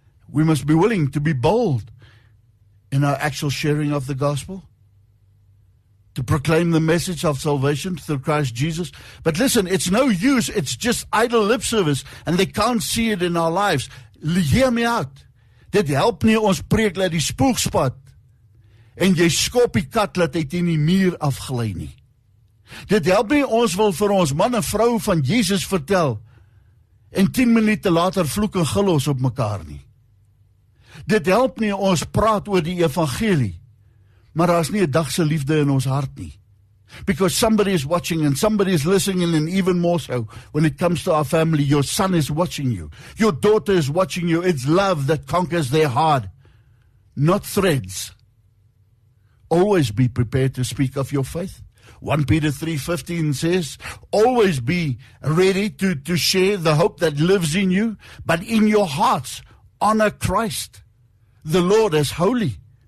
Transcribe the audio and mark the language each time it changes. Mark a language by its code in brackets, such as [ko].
[en] We must be willing to be bold in our actual sharing of the gospel, to proclaim the message of salvation through Christ Jesus. But listen, it's no use, it's just idle lip service, and they can't see it in our lives. Hear me out. [af] Dit help nie ons preek laat die spoeg spat, en jy skop die kat laat hy teen die muur afgly nie. Dit help nie, ons wil vir ons man en vrou van Jesus vertel en 10 minute later vloek en gil ons op mekaar nie. Dit help nie, ons praat oor die evangelie, maar daar is nie 'n dag se liefde in ons hart nie. [en] Because somebody is watching and somebody is listening, and even more so when it comes to our family. Your son is watching you. Your daughter is watching you. It's love that conquers their heart, not threads. Always be prepared to speak of your faith. 1 Peter 3:15 says, always be ready to share the hope that lives in you, but in your hearts, honor Christ, the Lord as holy.